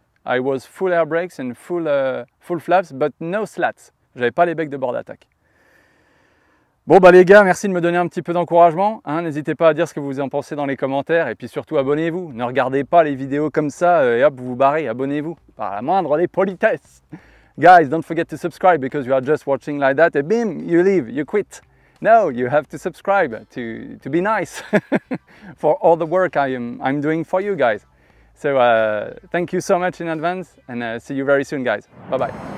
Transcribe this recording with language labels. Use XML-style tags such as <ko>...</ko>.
<en>I was full air brakes and full flaps, but no slats.</en> <fr>J'avais pas les becs de bord d'attaque. Bon, bah les gars, merci de me donner un petit peu d'encouragement. Hein, n'hésitez pas à dire ce que vous en pensez dans les commentaires. Et puis surtout, abonnez-vous. Ne regardez pas les vidéos comme ça et hop, vous vous barrez. Abonnez-vous par la moindre des politesses.</fr> <en>Guys, don't forget to subscribe because you are just watching like that. And bim, you leave, you quit. No, you have to subscribe to be nice for all the work I'm doing for you guys. So thank you so much in advance and see you very soon, guys. Bye bye.</en>